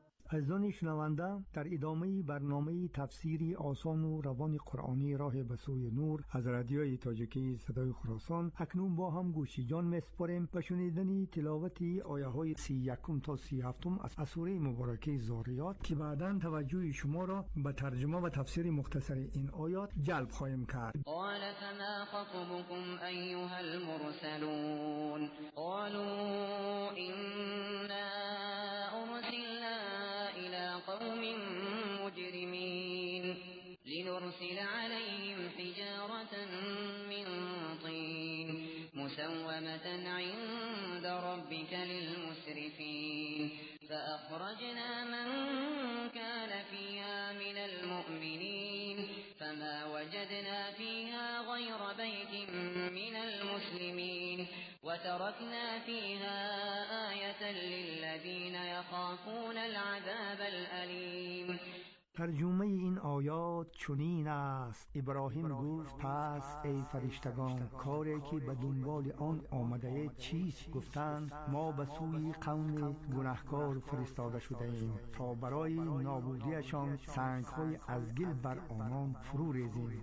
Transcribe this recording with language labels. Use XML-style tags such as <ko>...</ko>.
<fa>عزیزان شنونده، در ادامه برنامه تفسیری آسان و روان قرآنی راه به سوی نور از رادیوی تاجیکی صدای خراسان، اکنون با هم گوشی جان می‌سپاریم به شنیدن تلاوت آیه های 31 تا 37 از سوره مبارکه زاریات که بعداً توجه شما را به ترجمه و تفسیر مختصر این آیات جلب خواهیم کرد.</fa> <ar>قال فما خطبكم ایها المرسلون قالوا اننا قوم مجرمين لنرسل عليهم حجارة من طين مسومة عند ربك للمسرفين فأخرجنا من كان فيها من المؤمنين فما وجدنا فيها غير بيت من المسلمين وتركنا فيها آية للذين يخافون العذاب الأليم.</ar> <fa>ترجمه این آیات چنین است: ابراهیم گفت: پس ای فرشتگان، کاری که به دنبال آن آمده چیست؟ گفتند: ما به سوی قوم گناهکار فرستاده شده ایم تا برای نابودیشان سنگ های از گل بر آنان فرو ریزیم.</fa>